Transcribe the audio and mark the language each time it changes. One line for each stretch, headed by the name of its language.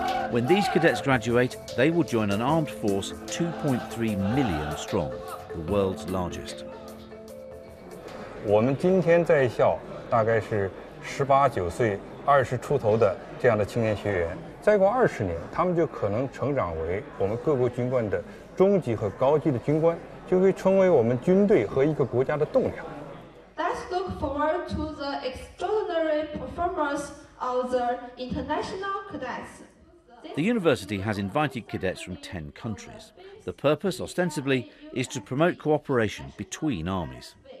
English: When these cadets graduate, they will join an armed force 2.3 million strong, the world's largest. We are today in school, about 18, 19, 20-year-old young students.
Chinese: 再过20年, 他们就可能成长为我们各个军官的中级和高级的军官, 就会成为我们军队和一个国家的栋梁。
English: Let's look forward to the extraordinary performance of the international cadets. The university has invited cadets from 10 countries. The purpose, ostensibly, is to promote cooperation between armies.